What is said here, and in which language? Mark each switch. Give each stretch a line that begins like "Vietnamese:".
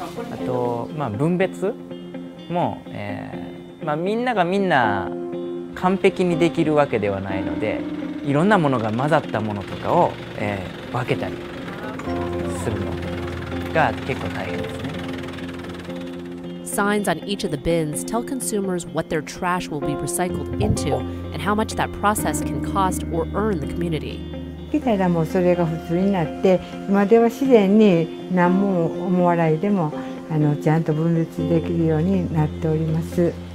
Japanese: あと、まあ、分別も、まあ、みんながみんな完璧にできるわけではないので、いろんなものが混ざったものとかを、分けたりするのが結構大変ですね。
English: Signs on each of the bins tell consumers what their trash will be recycled into and how much that process can cost or earn the community.
Japanese: 来たらもうそれが普通になって、今では自然に何も思わないでもちゃんと分別できるようになっております。